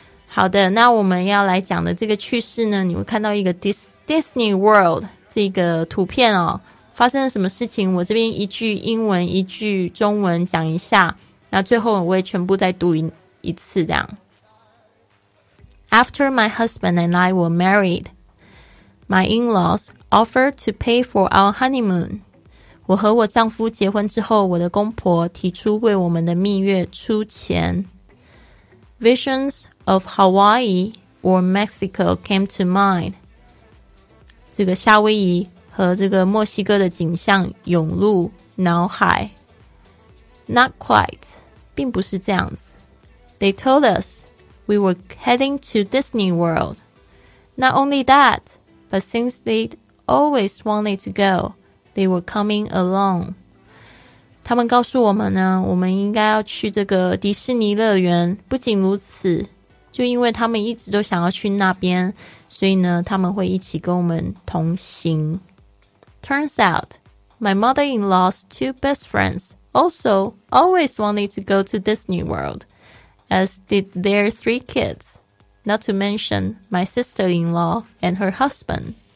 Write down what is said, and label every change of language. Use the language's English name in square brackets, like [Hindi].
[Chinese] 好的，那我们要来讲的这个趣事呢，你会看到一个 Disney World 这个图片哦，发生了什么事情？我这边一句英文，一句中文讲一下，那最后我会全部再读一次这样。 [English] After my husband and I were married, my in-laws offered to pay for our honeymoon. [Chinese] 我和我丈夫结婚之后，我的公婆提出为我们的蜜月出钱。 [English] Visions of Hawaii or Mexico came to mind. [Chinese] 这个夏威夷和这个墨西哥的景象涌入脑海。 [English] Not quite. [Chinese] 并不是这样子。 [English] They told us we were heading to Disney World. Not only that, but since they'd always wanted to go, they were coming along. [Chinese] 他们告诉我们呢，我们应该要去这个迪士尼乐园。不仅如此，就因为他们一直都想要去那边，所以呢他们会一起跟我们同行。 [English] Turns out my mother-in-law's two best friends also always wanted to go to Disney World, as did their three kids, not to mention my sister-in-law and her husband.